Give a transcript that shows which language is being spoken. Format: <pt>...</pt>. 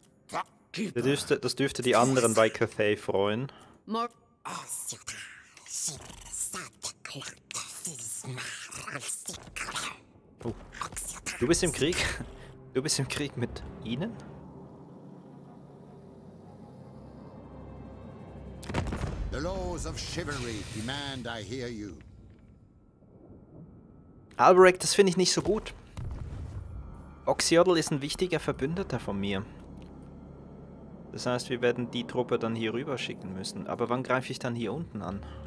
<de>Das dürfte die anderen bei Cathay freuen. Oh. Du bist im Krieg? Du bist im Krieg mit ihnen?</de> <en>The laws of chivalry demand I hear you.</en> <de>Albrecht, das finde ich nicht so gut. Oxyodl ist ein wichtiger Verbündeter von mir. Das heißt, wir werden die Truppe dann hier rüber schicken müssen. Aber wann greife ich dann hier unten an?</de>